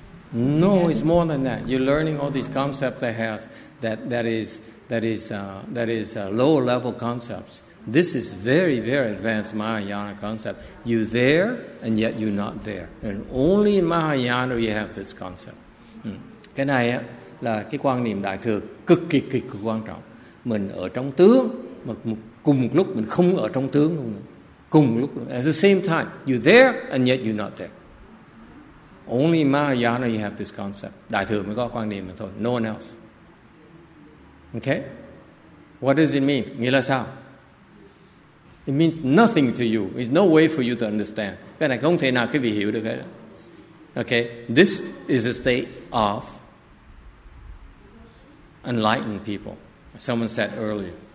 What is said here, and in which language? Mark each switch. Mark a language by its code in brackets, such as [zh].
[en] No, again. It's more than that. You're learning all these concepts they have that is lower level concepts. This is very, very advanced Mahayana concept. You're there, and yet you're not there. And only in Mahayana you have this concept. [vi] Cái này là cái quan niệm đại thừa cực kỳ cực kỳ quan trọng. Mình ở trong tướng mà cùng một lúc mình không ở trong tướng luôn. Cùng lúc, [en] at the same time, you're there and yet you're not there. Only Mahayana you have this concept. [vi] Đại thừa mới có quan niệm này thôi. [en] No one else. Okay? What does it mean? [vi] Nghĩa là sao? [en] It means nothing to you. There's no way for you to understand. [vi] Cái này không thể nào quý vị hiểu được hết. [en] Okay? This is a state of enlightened people. Someone said earlier.